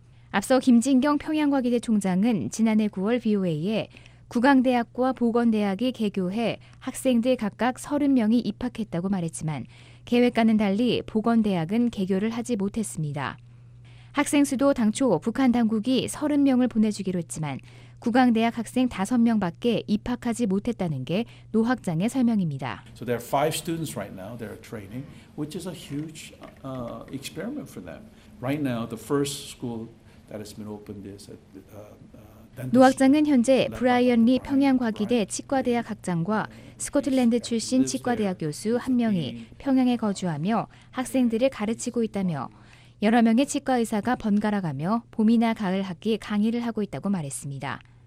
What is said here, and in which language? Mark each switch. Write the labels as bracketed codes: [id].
[ko] 앞서 김진경 평양과기대 총장은 지난해 9월 VOA에 국악대학과 보건대학이 개교해 학생들 각각 30명이 입학했다고 말했지만 계획과는 달리 보건대학은 개교를 하지 못했습니다. 학생 수도 당초 북한 당국이 30명을 보내주기로 했지만 국악대학 학생 5명밖에 입학하지 못했다는 게 노 학장의 설명입니다. [en] So there are five students right now. They're training, which is a huge experiment for them. Right now, the first school that has been opened is at. [ko] 노 학장은 현재 브라이언 리 평양과기대 치과대학 학장과 스코틀랜드 출신 치과대학 교수 한 명이 평양에 거주하며 학생들을 가르치고 있다며 여러 명의 치과의사가 번갈아가며 봄이나 가을 학기 강의를 하고 있다고 말했습니다.